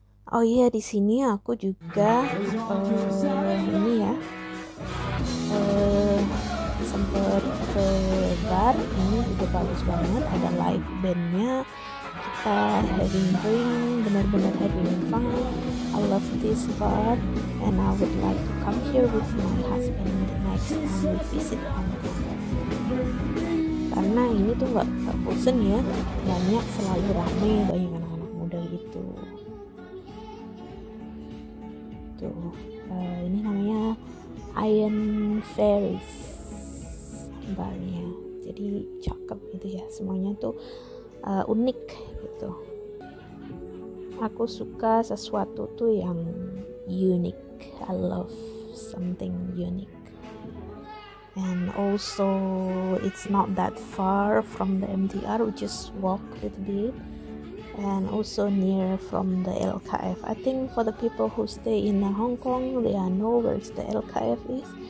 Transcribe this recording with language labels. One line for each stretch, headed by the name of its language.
Indonesian: Oh iya, di sini aku juga ini ya, sempet ke bar ini juga bagus banget, ada live bandnya, kita
English: having drink,
Indonesian: benar-benar
English: having fun. I love this bar and I would like to come here with my husband the next time we visit Hong Kong.
Indonesian: Karena ini tuh gak bosen ya, banyak, selalu ramai, banyak anak-anak muda gitu. Tuh, ini namanya Iron Ferris barnya, jadi cakep gitu ya, semuanya tuh unik gitu. Aku suka sesuatu tuh yang unik.
English: I love something unique. And also, it's not that far from the MTR. We just walk a little bit. And also near from the LKF. I think for the people who stay in Hong Kong, they know where the LKF is.